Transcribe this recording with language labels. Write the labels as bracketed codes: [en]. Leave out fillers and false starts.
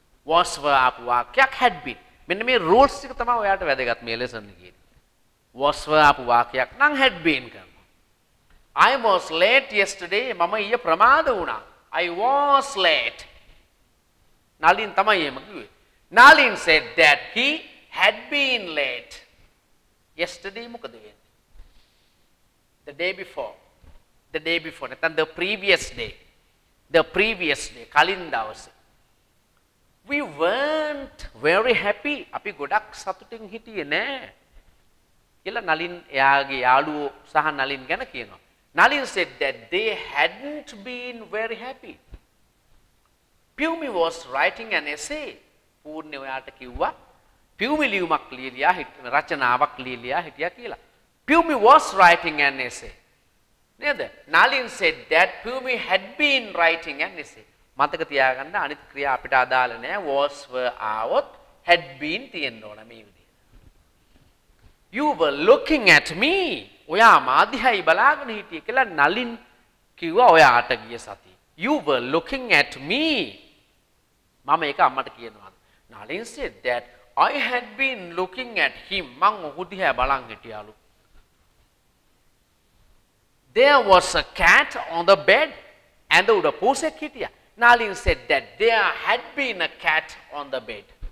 [en] was were [si] ආපු වාක්‍යයක් [en] had been [si] මෙන්න මේ [en] rules [si] එක තමයි ඔයාලට වැදගත් මේ [en] lesson එකේ was were [si] ආපු වාක්‍යයක් නම් [en] had been කරනවා I was late yesterday [si] මම ඊයේ ප්‍රමාද වුණා [en] I was late [si] නලින් තමයි එහෙම කිව්වේ [en] Nalin said that he had been late yesterday [si] මොකද වෙන්නේ [en] the day before, not the previous day, [si] කලින් දවසේ. [en] We weren't very happy. [si] අපි ගොඩක් සතුටින් හිටියේ නෑ. කියලා නලින් එයාගේ යාළුවෝ සහ නලින් ගැන කියනවා. [en] Nalin said that they hadn't been very happy. Pumi was writing an essay. [si] පූර්ණ ඔයාට කිව්වා. Pumi ලියුමක් ලියලා හිටියා, රචනාවක් ලියලා හිටියා කියලා. [en] Pumi was writing an essay. නේද? Nalin said that Pumi had been writing an essay. [si] මතක තියාගන්න අනිත් ක්‍රියා අපිට අදාළ නැහැ. [en] Was were out had been [si] තියෙන්න ඕන මේ විදිහට. [en] You were looking at me. [si] ඔයා මා දිහායි බලාගෙන හිටියේ කියලා Nalin කිව්වා ඔයාට ගිය සතිය. [en] You were looking at me. [si] මම ඒක අම්මට කියනවා. [en] Nalin said that I had been looking at him. [si] මං ඔහු දිහා බලන් හිටියාලු. [en] There was a cat on the bed and the [si] uda poosek hitiya. [en] Nalin said that there had been a cat on the bed.